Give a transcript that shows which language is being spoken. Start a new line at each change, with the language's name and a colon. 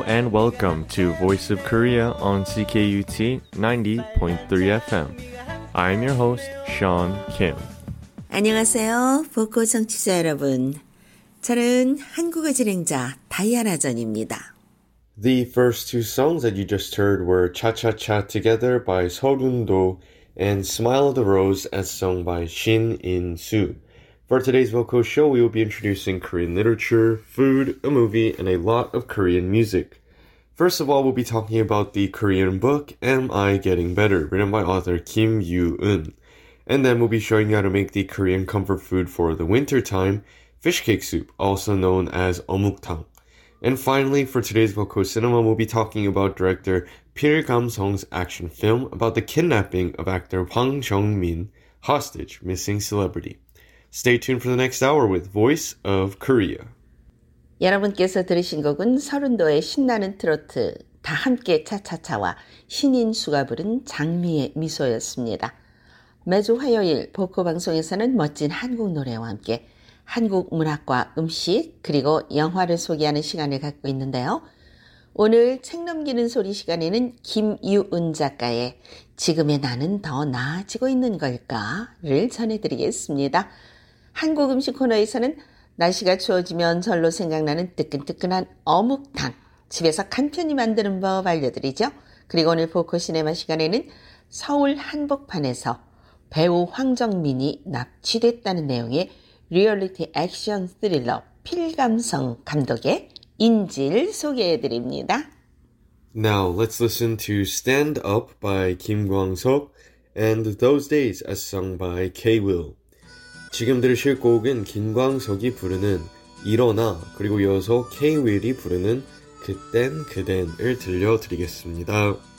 English: Welcome to Voice of Korea on CKUT 90.3 FM. I'm your host, Sean Kim.
Korean: 안녕하세요, 보코 청취자 여러분. 저는 한국어 진행자 다이아나 전입니다.
English: The first two songs that you just heard were Cha-Cha-Cha Together by Seol Eun-do and Smile of the Rose as sung by Shin In-soo. For today's vocal show, we will be introducing Korean literature, food, a movie, and a lot of Korean music. First of all, we'll be talking about the Korean book, Am I Getting Better?, written by author Kim Yoo-eun. And then we'll be showing you how to make the Korean comfort food for the wintertime, fish cake soup, also known as 어묵탕. And finally, for today's vocal cinema, we'll be talking about director Peter Gamsong's action film about the kidnapping of actor Hwang Jung-min, hostage, missing celebrity. Stay tuned for the next hour with Voice of Korea.
Korean: 여러분께서 들으신 곡은 설운도의 신나는 트로트, 다 함께 차차차와 신인수가 부른 장미의 미소였습니다. 매주 화요일 보코 방송에서는 멋진 한국 노래와 함께 한국 문학과 음식 그리고 영화를 소개하는 시간을 갖고 있는데요. 오늘 책 넘기는 소리 시간에는 김유은 작가의 지금의 나는 더 나아지고 있는 걸까를 전해드리겠습니다. 한국 음식 코너에서는 날씨가 추워지면 절로 생각나는 뜨끈뜨끈한 어묵탕, 집에서 간편히 만드는 법 알려드리죠. 그리고 오늘 보코 시네마 시간에는 서울 한복판에서 배우 황정민이 납치됐다는 내용의 리얼리티 액션 스릴러 필감성 감독의 인질 소개해드립니다.
English: Now let's listen to Stand Up by Kim Kwang-suk and Those Days as sung by K-Will.
Korean: 지금 들으실 곡은 김광석이 부르는 일어나, 그리고 이어서 K-Will이 부르는 그땐 그댄을 들려드리겠습니다.